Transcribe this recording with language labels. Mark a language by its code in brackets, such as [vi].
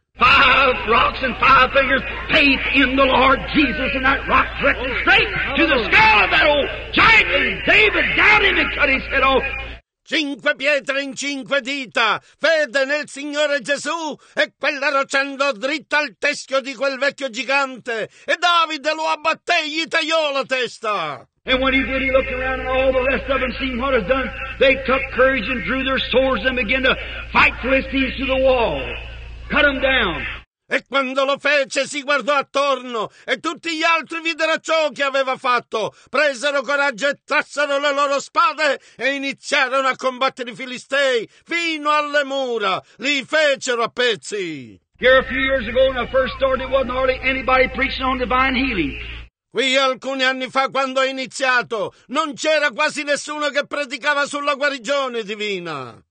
[en] Five rocks and five fingers, faith in the Lord Jesus, and that rock directed straight to the skull of that old giant, and David down him and cut his head off. [it] Cinque pietre in cinque dita, fede nel Signore Gesù, e quella roccia andò dritta al teschio di quel vecchio gigante, e Davide lo abbatté, gli tagliò la testa. [en] And when he did, he looked around and all the rest of them seen what was done, they took courage and drew their swords and began to fight Philistines to the wall. Cut him down. [it] E quando lo fece si guardò attorno e tutti gli altri videro ciò che aveva fatto. Presero coraggio e trassero le loro spade e iniziarono a combattere i filistei fino alle mura. Li fecero a pezzi. [en] Here a few years ago when I first started, it wasn't hardly anybody preaching on divine healing. [it] Qui alcuni anni fa, quando ho iniziato, non c'era quasi nessuno che predicava sulla guarigione divina.